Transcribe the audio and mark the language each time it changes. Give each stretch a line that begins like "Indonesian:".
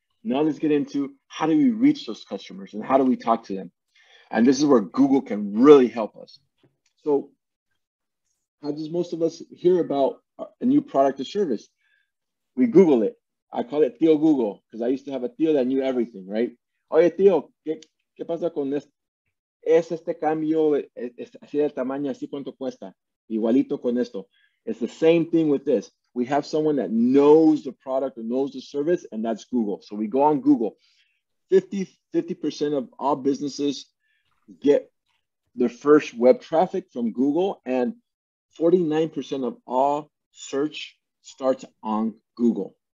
English: Now let's get into how do we reach those customers and how do we talk to them? And this is where Google can really help us. So how does most of us hear about a new product or service? We Google it. I call it Tio Google because I used to have a tio that knew everything, right?
Spanish: Oye, tio, ¿qué pasa con este? ¿Es este cambio así del tamaño, así cuánto cuesta? Igualito con esto.
English: It's the same thing with this. We have someone that knows the product or knows the service, and that's Google. So we go on Google. 50% of all businesses get their first web traffic from Google, and 49% of all search starts on Google.